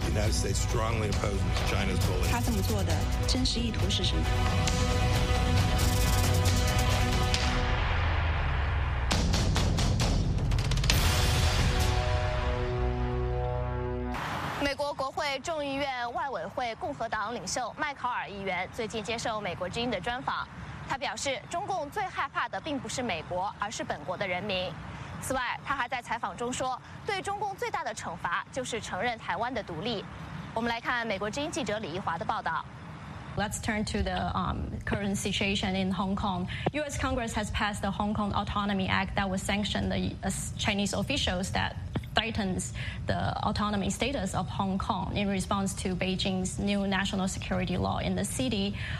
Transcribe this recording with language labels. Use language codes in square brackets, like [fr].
[en] The United States strongly opposes China's bullying. [zh] 他这么做的真实意图是什么？美国国会众议院外委会共和党领袖麦考尔议员最近接受美国之音的专访，他表示中共最害怕的并不是美国，而是本国的人民。此外，他还在采访中说，对中共最大的惩罚就是承认台湾的独立。我们来看美国之音记者李怡华的报道。 [en] Let's turn to the current situation in Hong Kong. U.S. Congress has passed the Hong Kong Autonomy Act that would sanction the Chinese officials that threatens the autonomy status of Hong Kong in response to Beijing's new national security law in the city.